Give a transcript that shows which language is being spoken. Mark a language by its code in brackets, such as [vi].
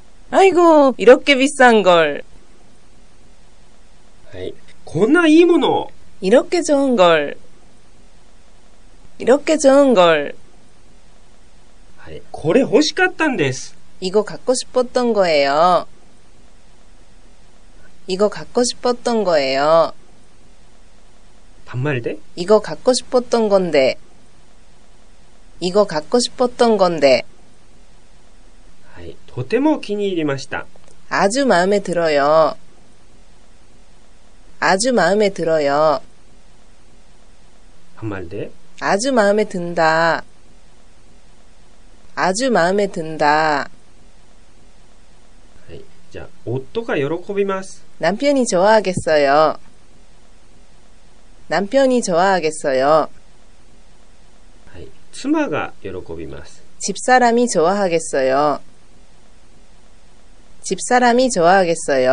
[ko] 아이고이렇게비싼걸。 [ja] はい。こんないいものを。 [ko] 이렇게좋은걸。 이렇게좋은걸。 [ja] はい。これ欲しかったんです。 [ko] 이거갖고싶었던거예요。 이거갖고싶었던거예요。 반말이돼? 이거갖고싶었던건데。 이거갖고싶었던건데。 [ja] はい。とても気に入りました。 [ko] 아주마음에들어요。 아주마음에들어요。 반말이돼? 아주마음에든다아주마음에든다 [ja] はい、じゃあ夫が喜びます。 [ko] 남편이좋아하겠어요남편이좋아하겠어요 [ja] はい、妻が喜びます。 [ko] 집사람이좋아하겠어요집사람이좋아하겠어요